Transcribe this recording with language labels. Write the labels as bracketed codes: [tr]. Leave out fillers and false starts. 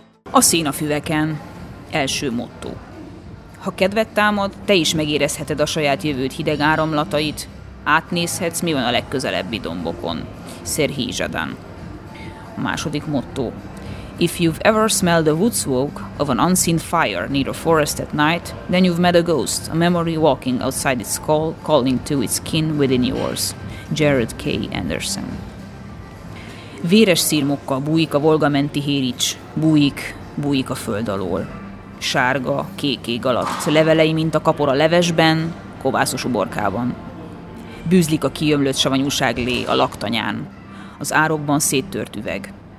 [hu] A Szénafüveken első motto. Ha kedved támad, te is megérezheted a saját jövőd hideg áramlatait, átnézhetsz, mi van a legközelebbi dombokon. Serhii Zsadán. A második motto. [en] If you've ever smelled the wood smoke of an unseen fire near a forest at night, then you've met a ghost, a memory walking outside its skull, calling to its kin within yours. Jared K. Anderson. [hu] Véres szirmokkal bújik a volgamenti hérics, bújik, bújik a föld alól. Sárga, kék ég alatt, levelei, mint a kapor a levesben, kovászos uborkában. Bűzlik a kiömlött savanyúság lé a laktanyán. Az árokban széttört üveg.